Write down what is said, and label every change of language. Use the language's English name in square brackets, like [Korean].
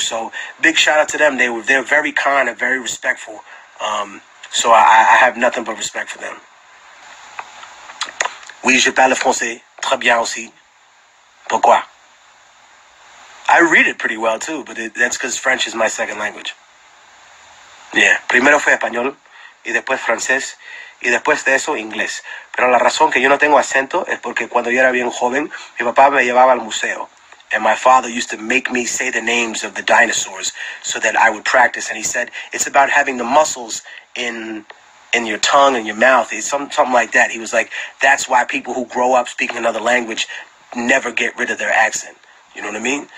[English] So big shout out to them. They're very kind and very respectful. So I have nothing but respect for them. [French] Oui, je parle français. Très bien aussi. Pourquoi? [English] I read it pretty well, too, but that's because French is my second language. Yeah. [Spanish] Primero fue español, y después francés, y después de eso, inglés. Pero la razón que yo no tengo acento es porque cuando yo era bien joven, mi papá me llevaba al museo. [English] And my father used to make me say the names of the dinosaurs so that I would practice. And he said, it's about having the muscles in your tongue and your mouth. It's something like that. He was like, that's why people who grow up speaking another language never get rid of their accent. You know what I mean?